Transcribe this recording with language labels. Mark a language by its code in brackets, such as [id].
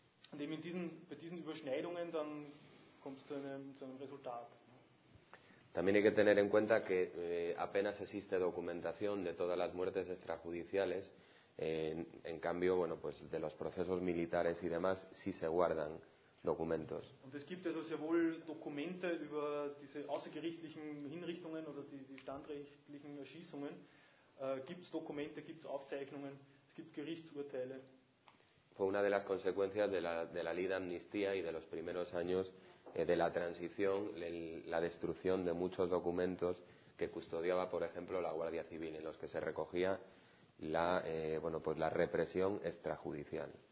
[de] Und eben bei diesen Überschneidungen dann kommt es zu einem Resultat. [es] También hay que tener en cuenta que apenas existe documentación de todas las muertes extrajudiciales. En cambio, bueno, pues de los procesos militares y demás sí se guardan. Documentos. [de] Und es gibt also sehr wohl Dokumente über diese außergerichtlichen Hinrichtungen oder die standrechtlichen Erschießungen. Gibt es Dokumente, gibt es Aufzeichnungen, es gibt Gerichtsurteile. [es] Fue una de las consecuencias de la ley de amnistía y de los primeros años de la transición, la destrucción de muchos documentos que custodiaba, por ejemplo, la Guardia Civil, en los que se recogía la represión extrajudicial.